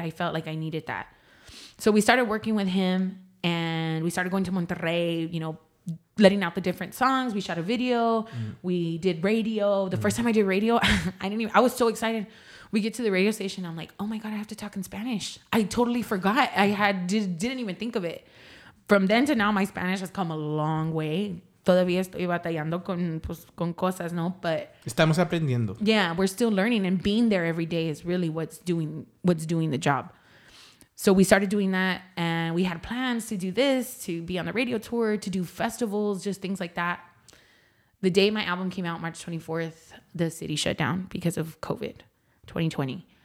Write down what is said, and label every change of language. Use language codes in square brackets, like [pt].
[en] I felt like I needed that. So we started working with him and we started going to Monterrey, you know, letting out the different songs. We shot a video. Mm. We did radio. The first time I did radio, I was so excited. We get to the radio station. I'm like, oh my God, I have to talk in Spanish. I totally forgot. I didn't even think of it. From then to now, my Spanish has come a long way. [es] todavía estoy batallando con, pues, con cosas, ¿no? [en] But [es] estamos aprendiendo. [en] Yeah, we're still learning, and being there every day is really what's doing the job. So we started doing that, and we had plans to do this, to be on the radio tour, to do festivals, just things like that. The day my album came out, March 24th, the city shut down because of COVID, 2020.